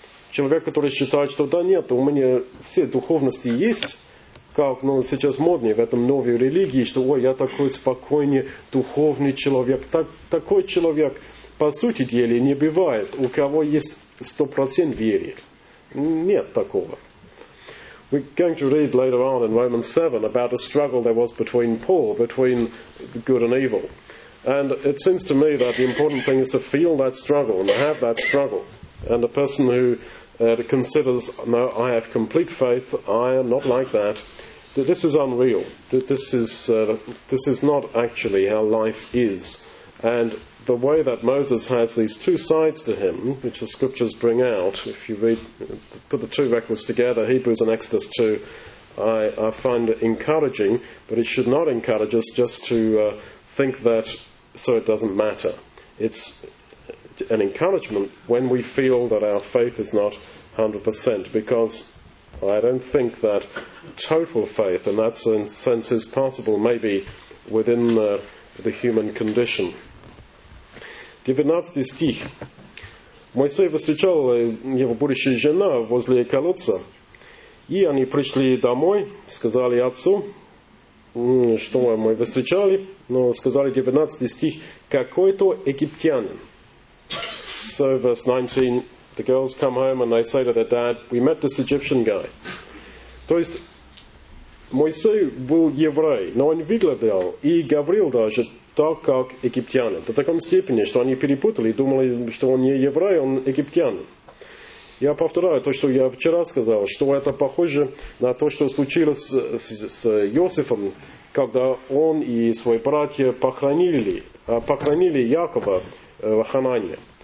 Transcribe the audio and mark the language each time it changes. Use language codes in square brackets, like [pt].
[ru] Человек, который считает, что да нет, у меня все духовности есть, как ну, сейчас модные в этом новой религии, что ой, я такой спокойный, духовный человек. Так, такой человек, по сути дела, не бывает, у кого есть 100% веры. Нет такого. [en] We're going to read later on in Romans 7 about a struggle there was between Paul, between good and evil. And it seems to me that the important thing is to feel that struggle and to have that struggle. And a person who considers, no, I have complete faith, I am not like that, this is unreal. This is not actually how life is. And the way that Moses has these two sides to him, which the scriptures bring out, if you read, put the two records together, Hebrews and Exodus 2, I find it encouraging, but it should not encourage us just to think that so it doesn't matter. It's an encouragement when we feel that our faith is not 100%, because I don't think that total faith in that sense is possible maybe within the human condition. [ru] 19 стих. Моисей встречал его будущую жену возле колодца. И они пришли домой, сказали отцу, что мы встречали. Но сказали 19 стих, какой-то египтянин. [en] So verse 19, the girls come home and they say to their dad, we met this Egyptian guy. [ru] То есть Моисей был еврей, но он выглядел и говорил даже, так как египтяне. До такой степени, что они перепутали и думали, что он не еврей, он египтянин. Я повторяю то, что я вчера сказал, что это похоже на то, что случилось с Иосифом, когда он и свои братья похоронили Якова в Ханане.